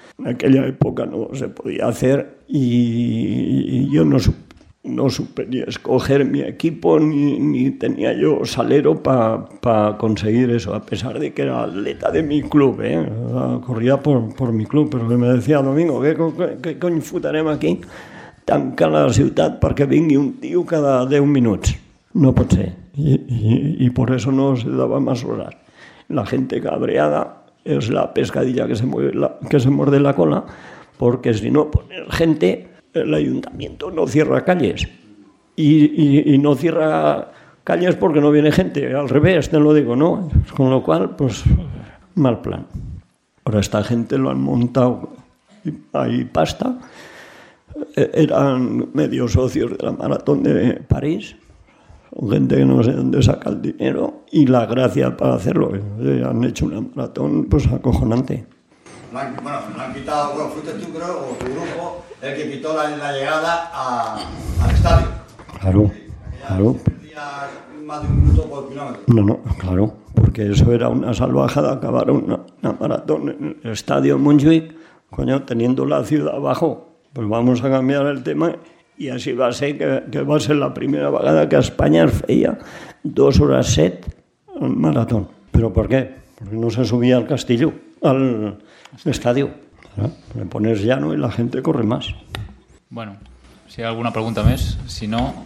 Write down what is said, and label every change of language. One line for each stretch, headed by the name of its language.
Spanish: En aquella época no se podía hacer y yo no supe ni escoger mi equipo ni tenía yo salero pa conseguir eso, a pesar de que era atleta de mi club, ¿eh? Corría por mi club, pero me decía Domingo, ¿qué coño futarem aquí?
Catalan: Tanca la ciutat perquè vingui un tio cada 10 minuts. No pot ser.
Spanish: I por eso no se daba más horas. La gente cabreada... Es la pescadilla que se muerde la cola, porque si no pones gente, el ayuntamiento no cierra calles. Y no cierra calles porque no viene gente, al revés, te lo digo, ¿no? Con lo cual, pues, mal plan. Ahora esta gente lo han montado, hay pasta. Eran medio socios de la Maratón de París. Gente que no sé dónde saca el dinero y la gracia para hacerlo. Han hecho una maratón, pues, acojonante. Bueno, me han quitado, bueno, fuiste tú, creo, o tu grupo, el que quitó la llegada al estadio. Claro, sí, claro. Más de un minuto por kilómetro. No, claro, porque eso era una salvajada, acabar una maratón en el estadio Montjuïc, coño, teniendo la ciudad abajo. Pues vamos a cambiar el tema...
Catalan: I així va ser que va ser la primera vegada que a Espanya es feia 2:07 en marató. Però per què?
Spanish: Perquè no se subia al Castillo, al estadio. Le pones llano
Catalan: i la gent corre més. Bueno, si hi ha alguna pregunta més, si no...